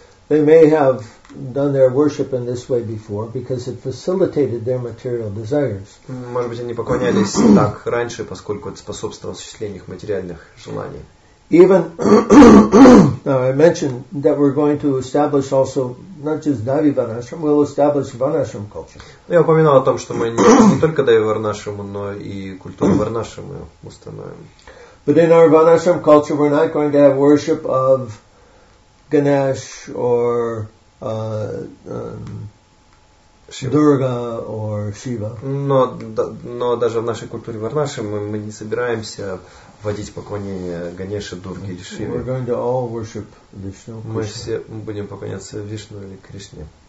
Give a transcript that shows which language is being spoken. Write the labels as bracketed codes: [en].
[en] They may have done their worship in this way before because it facilitated their material desires. [ru] Может быть, они поклонялись так раньше, поскольку это способствовало осуществлению их материальных желаний. [en] Even now I mentioned that we're going to establish also not just Daivi Varnashram, we'll establish Varnashram culture. [ru] Я упоминал о том, что мы не только Даиви Варнашрам, но и культуру Варнашрам установим. [en] But in our Varnashram culture, we're not going to have worship of Ganesh or Дурга or Шива. [ru] Но даже в нашей культуре Варнашрам мы не собираемся вводить поклонение Ганеше, Дурге или Шиве. [en] We're going to all worship Vishnu, Krishna. [ru] Мы все будем поклоняться Вишну или Кришне.